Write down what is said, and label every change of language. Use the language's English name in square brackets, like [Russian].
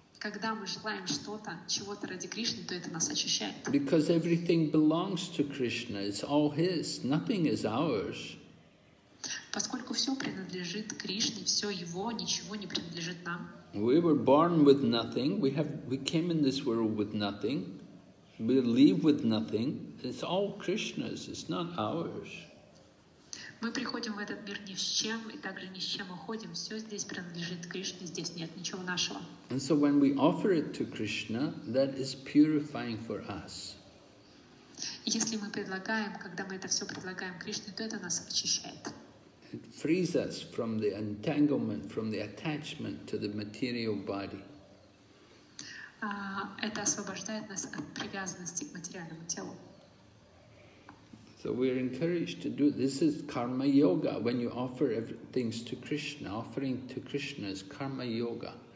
[Russian] Когда мы желаем что-то, чего-то ради Кришны, то это нас очищает. [English] Because everything belongs to Krishna, it's all His, nothing is ours. [Russian] Поскольку все принадлежит Кришне, все Его, ничего не принадлежит нам. [English] We were born with nothing. We came in this world with nothing. We leave with nothing. It's all Krishna's. It's not ours. [Russian] Мы приходим в этот мир ни с чем и также ни с чем уходим. Все здесь принадлежит Кришне. Здесь нет ничего нашего. [English] And so when we offer it to Krishna, that is purifying for us. [Russian] Если мы предлагаем, когда мы это все предлагаем Кришне, то это нас очищает. [English] It frees us from the entanglement, from the attachment to the material body. [Russian] Это освобождает нас от привязанности к материальному телу. [English] So we are encouraged to do this. This is karma yoga. When you offer things to Krishna, offering to Krishna is karma yoga.